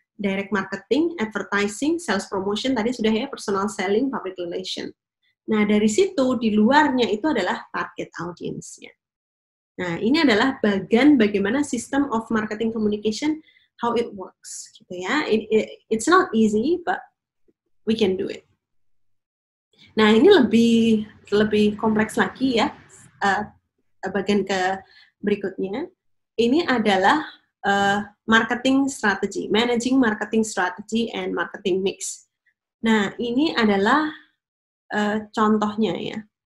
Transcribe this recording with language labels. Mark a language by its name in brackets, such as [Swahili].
[English] direct marketing, advertising, sales promotion, [Indonesian] tadi sudah ya, [English] personal selling, public relation. [Indonesian] Nah, dari situ, di luarnya itu adalah target audience-nya. Nah, ini adalah bagian bagaimana [English] system of marketing communication, how it works, [Indonesian] gitu ya. [English] It's not easy, but we can do it. [Indonesian] Nah, ini lebih kompleks lagi ya, bagian ke berikutnya. Ini adalah [English] marketing strategy, managing marketing strategy and marketing mix. [Indonesian] Nah, ini adalah contohnya ya.